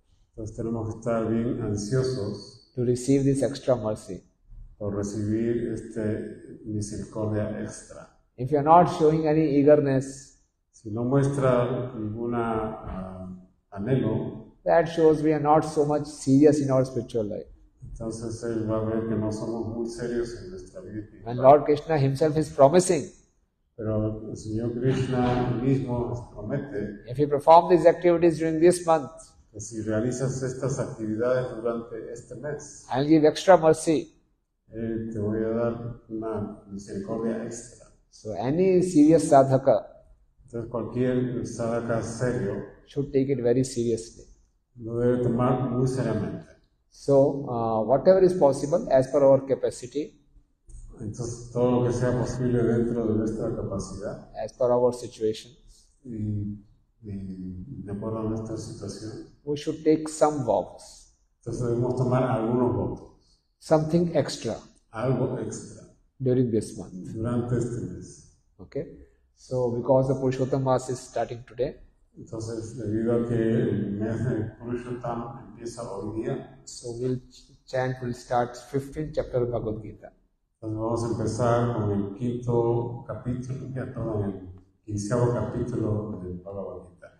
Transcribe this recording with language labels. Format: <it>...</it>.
<es>Entonces tenemos que estar bien ansiosos</es> <en>to receive this extra mercy.</en> <es>Por recibir este misericordia extra.</es> <en>If you are not showing any eagerness,</en> <es>si no muestra ninguna anhelo,</es> <en>that shows we are not so much serious in our spiritual life.</en> <es>Entonces él va a ver que no somos muy serios en nuestra vida.</es> <en>And Lord Krishna himself is promising.</en> <es>Pero el Señor Krishna mismo promete.</es> <en>If you perform these activities during this month,</en> <es>que si realizas estas actividades durante este mes,</es> <en>I'll give extra mercy.</en> <es>Te voy a dar una misericordia extra.</es> <en>So any serious sadhaka,</en> <es>entonces cualquier sadhaka serio,</es> <en>should take it very seriously.</en> <es>Lo debe tomar muy seriamente.</es> <en>So, whatever is possible as per our capacity,</en> <es>entonces todo lo que sea posible dentro de nuestra capacidad,</es> <en>as per our situation,</en> <es>y de acuerdo a nuestra situación,</es> <en>we should take some vows.</en> <es>Entonces debemos tomar algunos votos.</es> <en>Something extra.</en> <es>Algo extra.</es> <en>During this month.</en> <es>Durante este mes.</es> <en>Okay. So, because the Purushottam Mass is starting today.</en> <es>Entonces, debido a que el mes de Purushottam empieza hoy día.</es> <en>So, we'll start 15th chapter of Bhagavad Gita.</en> <es>Entonces, vamos a empezar con el quinto capítulo, ya todo el quinceavo capítulo de Bhagavad Gita.</es>